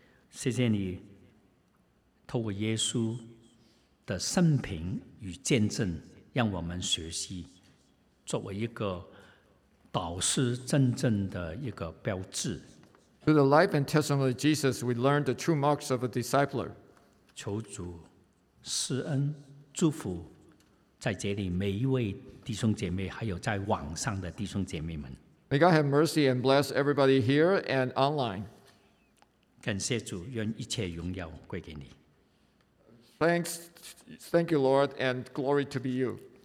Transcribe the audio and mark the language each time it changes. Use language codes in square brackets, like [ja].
[zh] 谢谢你透过耶稣的生平与见证，让我们学习作为一个导师真正的一个标志。 [en] Through the life and testimony of Jesus, we learn the true marks of a discipler. [zh] 求主施恩祝福在这里每一位弟兄姐妹，还有在网上的弟兄姐妹们。 [en] May God have mercy and bless everybody here and online. [zh] 感谢主，愿一切荣耀归给你。 [en] Thanks, thank you, Lord, and glory to be you.